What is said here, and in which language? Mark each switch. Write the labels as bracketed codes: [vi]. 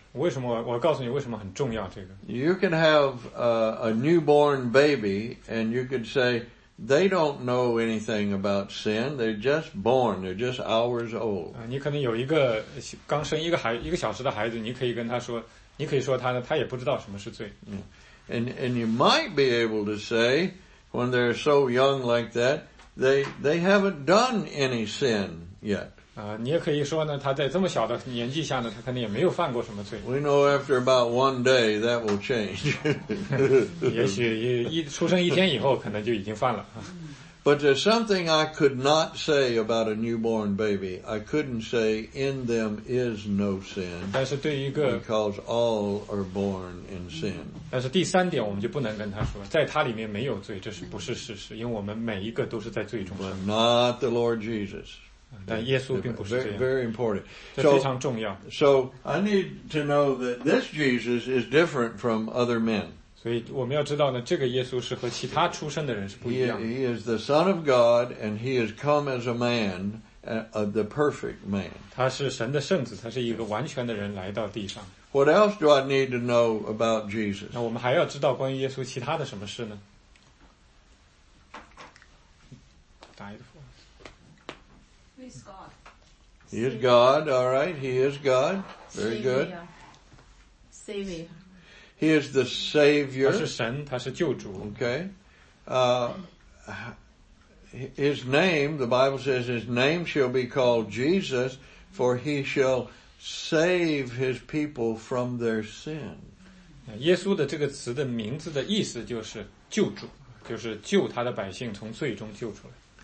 [zh] 为什么我告诉你为什么很重要这个。 [en] You can have a newborn baby and you could say they don't know anything about sin. They're just born. They're just hours old. [zh] 你可能有一个刚生一个孩一个小时的孩子，你可以跟他说，你可以说他呢，他也不知道什么是罪。 [en] And you might be able to say when they're so young like that, they haven't done any sin yet. [zh] 你也可以说呢，他在这么小的年纪下呢，他可能也没有犯过什么罪。 [en] We know after about one day that will change. [zh] 也许一出生一天以后，可能就已经犯了。 [en] But there's something I could not say about a newborn baby. I couldn't say in them is no sin. [zh] 但是对于一个 [en] because all are born in sin. [zh] 但是第三点我们就不能跟他说，在他里面没有罪，这是不是事实？因为我们每一个都是在罪中生。 [en] But not the Lord Jesus. [zh] 但耶稣并不是这样。 [en] Very important. [zh] 这非常重要。 [en] So I need to know that this Jesus is different from other men. [zh] 所以我们要知道呢，这个耶稣是和其他出生的人是不一样的。 [en] He is the Son of God, and He has come as a man, the perfect man. [zh] 他是神的圣子，他是一个完全的人来到地上。 [en] What else do I need to know about Jesus? [zh] 那我们还要知道关于耶稣其他的什么事呢？ [en] Died for us. He is God. He is God. All right. He is God. Very good. Savior. He is the Savior. [zh] 他是神，他是救主。 [en] Okay. His name, the Bible says, his name shall be called Jesus, for he shall save his people from their sin. [zh] 耶稣的这个词的名字的意思就是救主，就是救他的百姓从罪中救出来。